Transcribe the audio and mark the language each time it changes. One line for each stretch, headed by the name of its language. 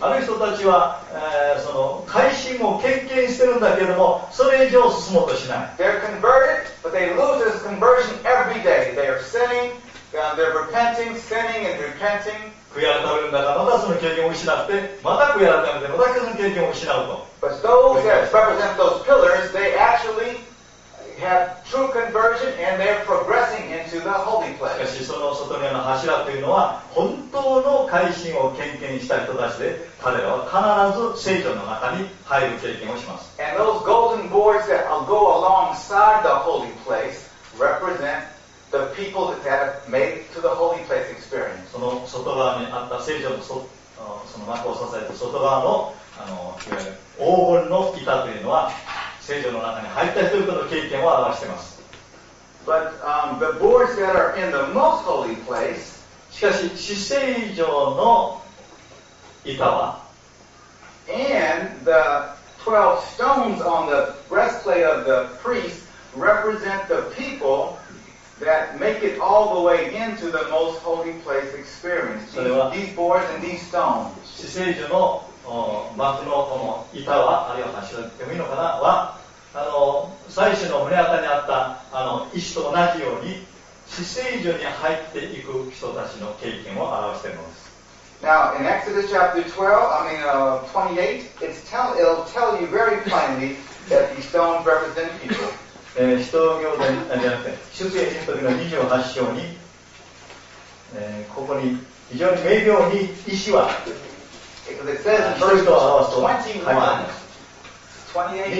Japanese: ある人たちは、その改心を経験してるんだけども、それ以上進もうとしない。
English: They're converted, but they lose this conversion every day. They are sinning, they're repenting, sinning and repenting.
Japanese: 悔い改めるんだから、またその経験を失って、また悔い改めて、またその経験を失うと。
English: But those that represent those pillars, they actually have true conversion and they're progressing into the holy place.
Japanese: しかしその外庭の柱というのは本当の改心を経験した人たちで彼らは必ず聖所の中に入る経験をします。
English: And those golden boards that go alongside the holy place represent the people that have made to the holy place experience.
Japanese: その外側にあった聖所のその幕を支えた外側の黄金の板というのは聖所の中に入った人々の経験を表しています。
English: But, the boards that are in the most holy place,
Japanese: しかし、至聖所の板は、
English: and the 12 stones on the breastplate of the priest represent the people that make it all the way into the most holy place experience.
Japanese: それは、
English: these boards and these stones.
Japanese: 至聖所の幕のこの板は、あるいは柱でもいいのかな、は、最初の胸当たりにあった石と同じように、至聖所に入っていく人たちの経験を表しています。
English: Now, in Exodus chapter 12, I mean, 28, it'll tell you very plainly that these stones represent people.
Japanese: 使徒行伝、じゃなくて、出エジプト記の28章に、ここに非常に明瞭に石は、
English: Because it says in verse 21, 28